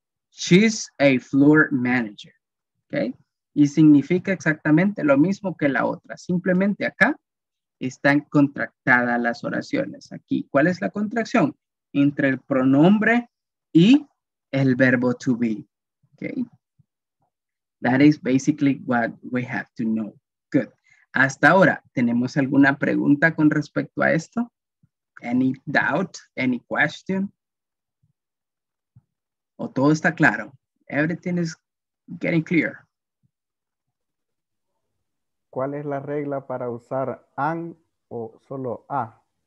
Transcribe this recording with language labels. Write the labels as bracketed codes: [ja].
[en] She's a floor manager. [es] Okay, y significa exactamente lo mismo que la otra. Simplemente acá están contractadas las oraciones. Aquí, ¿cuál es la contracción? Entre el pronombre y el verbo to be. Okay. [en] That is basically what we have to know. Good. [es] Hasta ahora, ¿tenemos alguna pregunta con respecto a esto? [en] Any doubt? Any question? [es] ¿O todo está claro? [en] Everything is getting clear. [es] ¿Cuál es la regla para usar an o solo a?